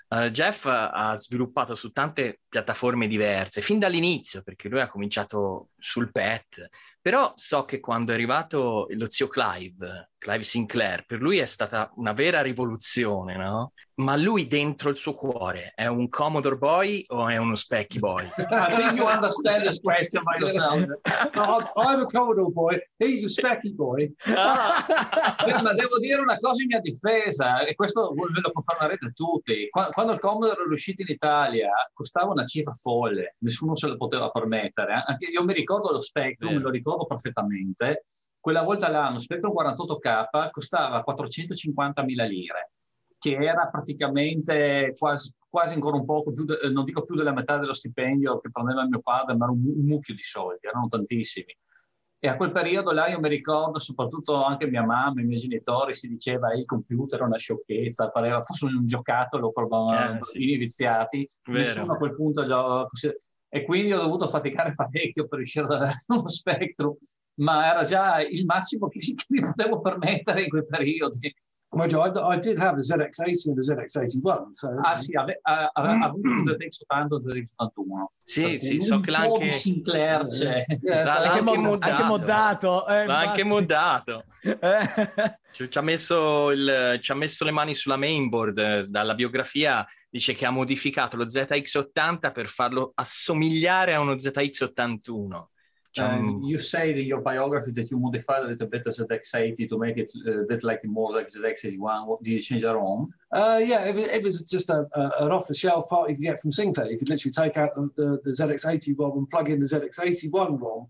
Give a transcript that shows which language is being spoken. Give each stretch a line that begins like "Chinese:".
Italian: Jeff ha sviluppato su tante piattaforme diverse, fin dall'inizio, perché lui ha cominciato sul PET, però so che quando è arrivato lo zio Clive Sinclair, per lui è stata una vera rivoluzione, no? Ma lui dentro il suo cuore è un Commodore Boy o è uno Specky Boy?
English: I think you understand this question by yourself. No, I'm a Commodore Boy, he's a Specky Boy.
Italian: Ma devo dire una cosa in mia difesa, e questo ve lo confermerete tutti. Quando il Commodore è uscito in Italia, costava una cifra folle, nessuno se lo poteva permettere. Anche io mi ricordo lo Spectrum, lo ricordo perfettamente. Quella volta là, lo Spectrum 48K costava 450.000 lire, che era praticamente quasi ancora un poco, non dico più della metà dello stipendio che prendeva mio padre, ma era un mucchio di soldi, erano tantissimi. E a quel periodo là io mi ricordo, soprattutto anche mia mamma, i miei genitori, si diceva il computer è una sciocchezza, pareva fosse un giocattolo con bambini viziati. Vero. Nessuno a quel punto lo... E quindi ho dovuto faticare parecchio per riuscire ad avere uno Spectrum, ma era già il massimo che mi potevo permettere in quei periodi.
English: Well, Joe, I did have a ZX80 and a ZX81. So, ZX81.
Italian: Sì, sì, so che anche Sinclair c'è. Anche moddato. Ma anche moddato. Ci ha messo le mani sulla mainboard. Dalla biografia dice che ha modificato lo ZX80 per farlo assomigliare a uno ZX81.
English: You say in your biography that you modified a little bit of ZX80 to make it a bit like more like ZX81. What, did you change that on? It was just an off-the-shelf part you could get from Sinclair. You could literally take out the ZX80 ROM and plug in the ZX81 ROM.